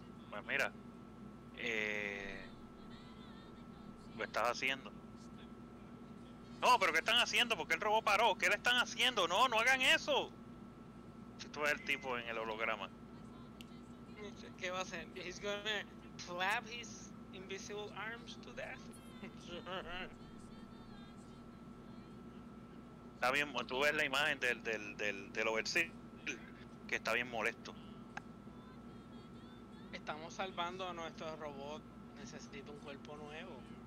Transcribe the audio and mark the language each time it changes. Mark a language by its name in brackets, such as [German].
[Spanish] Pues mira, ¿qué estás haciendo? No, pero ¿qué están haciendo? ¿Por qué el robot paró? ¿Qué le están haciendo? No, no hagan eso. Esto es el tipo en el holograma. ¿Qué va a hacer? [English] He's gonna clap his invisible arms to death. [Spanish] Está bien, tú ves la imagen del overseer, que está bien molesto. Estamos salvando a nuestro robot. Necesito un cuerpo nuevo.